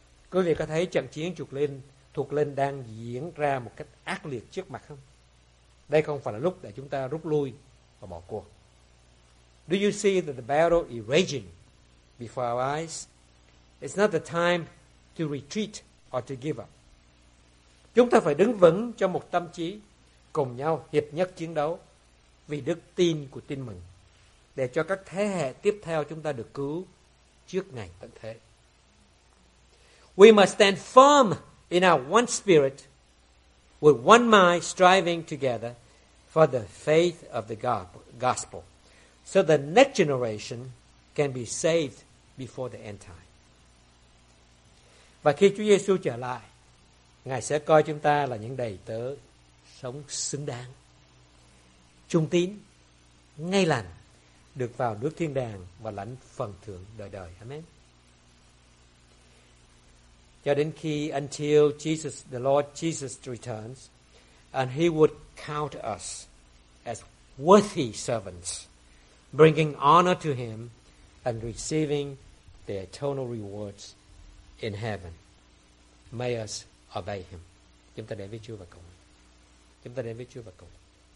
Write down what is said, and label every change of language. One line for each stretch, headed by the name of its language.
Vietnamese: Quý vị có thấy trận chiến Thuộc Linh đang diễn ra một cách ác liệt trước mặt không? Đây không phải là lúc để chúng ta rút lui và bỏ cuộc.
English: Do you see that the battle is raging before our eyes? It's not the time to retreat or to give up.
Vietnamese: Chúng ta phải đứng vững trong một tâm trí, cùng nhau hiệp nhất chiến đấu vì đức tin của tin mừng, để cho các thế hệ tiếp theo chúng ta được cứu trước ngày tận thế.
English: We must stand firm in our one spirit, with one mind striving together for the faith of the gospel, so the next generation can be saved before the end time.
Vietnamese: Và khi Chúa Giêsu trở lại, Ngài sẽ coi chúng ta là những đầy tớ sống xứng đáng, trung tín, ngay lành, được vào nước thiên đàng và lãnh phần thưởng đời đời.
English: Amen.
Vietnamese: Cho đến khi,
English: until Jesus, the Lord Jesus returns, and he would count us as worthy servants, bringing honor to him and receiving the eternal rewards in heaven. May us obey him.
Vietnamese: Chúng ta đến với Chúa và cầu nguyện.